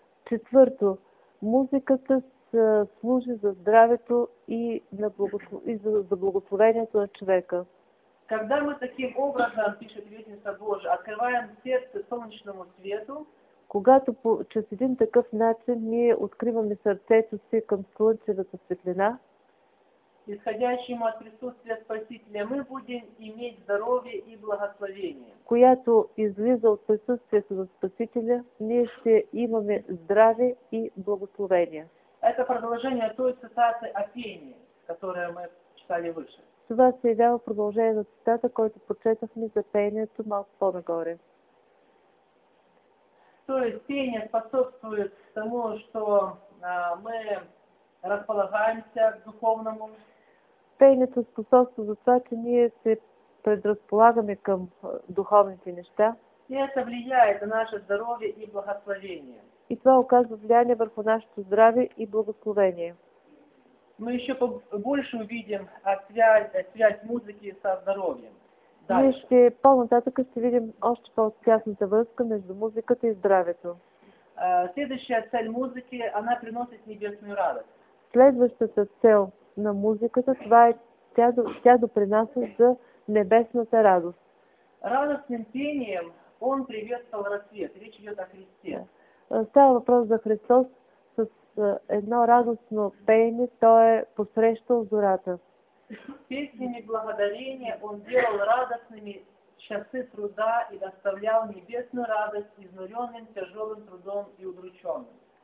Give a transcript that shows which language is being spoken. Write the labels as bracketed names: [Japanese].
[Bulgarian] Четвърто, музыката служи за здравето и за благословението на човека. [Russian] Когда мы таким образом, пишет Вестница Божия, открываем сердце солнечному свету, [Bulgarian] когато чрез един такъв начин ние откриваме сърцето си към слънчевата светлина, [Russian] изходящему от присутствия Спасителя, мы будем иметь здоровье и благословение. [Bulgarian] Която излиза от присутствието на Спасителя, ние ще имаме здраве и благословение. [Russian] Это продолжение той цитаты о пении, которую мы читали выше. [Bulgarian] Това се явява продължение на цитата, който прочетахме за пението малко по-нагоре. [Russian] То есть пение способствует тому, что мы располагаемся к духовному. [Bulgarian] Пението способствует за това, что ние се предрасполагаме към духовните неща. [Russian] И это влияет на наше здоровье и благословение. [Bulgarian] И това оказва влияние върху нашето здраве и благословение. [Russian] Мы еще больше увидим связь музыки со здоровьем. [Bulgarian] Ние ще по-нататък ще видим още по-тясната връзка между музиката и здравето. Следващата цел [Russian] музики, она приносит небесную радост. [Bulgarian] Следващата цел на музиката, това е тя допринася за небесната радост. [Russian] Радостным пением он приветствовал рассвет. Речь идет о Христе. [Bulgarian] Става въпрос за Христос. С едно радостно пеене той е посрещал зората. [Russian] Песнями благодарения он делал радостными часы труда и доставлял небесную радость изнуренным тяжелым трудом и удрученным.